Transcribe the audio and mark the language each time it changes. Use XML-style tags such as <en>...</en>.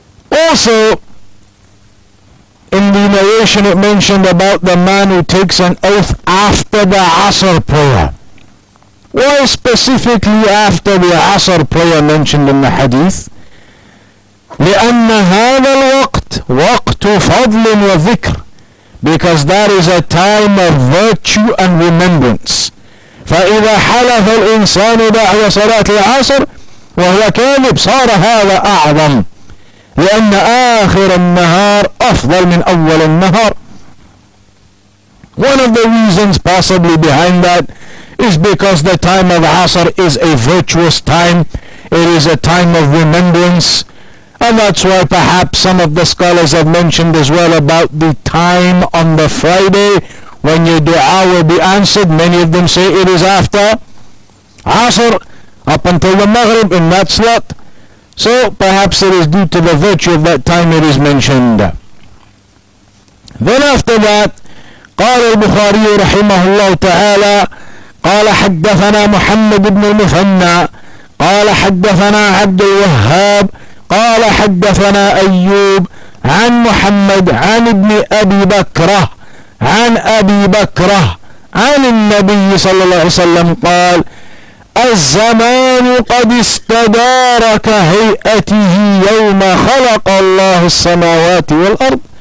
<en>Also, in the narration it mentioned about the man who takes an oath after the Asr prayer. Why specifically after the Asr prayer mentioned in the hadith?</en> <ar>لِأَنَّ هَذَا الْوَقْتُ وَقْتُ فَضْلٍ وَذِكْرٍ.</ar> <en>Because that is a time of virtue and remembrance.</en> <ar>فَإِذَا حَلَفَ الْإِنسَانُ بَعْدَ صَلَاةِ الْعَصْرِ وَهُوَ كَاذِبٌ صَارَ هَذَا أَعْظَمُ لأن آخر النهار أفضل من أول النهار.</ar> <en>One of the reasons possibly behind that is because the time of Asr is a virtuous time. It is a time of remembrance. And that's why perhaps some of the scholars have mentioned as well about the time on the Friday when your dua will be answered. Many of them say it is after Asr, up until the Maghrib in that slot. So perhaps it is due to the virtue of that time it is mentioned. Then after that,</en> <ar>قال البخاري رحمه الله تعالى قال حدثنا محمد بن المثنى قال حدثنا عبد الوهاب قال حدثنا أيوب عن محمد عن ابن أبي بكر عن أبي بكر عن النبي صلى الله عليه وسلم قال الزمان قد استدار كهيئته يوم خلق الله السماوات والأرض</ar>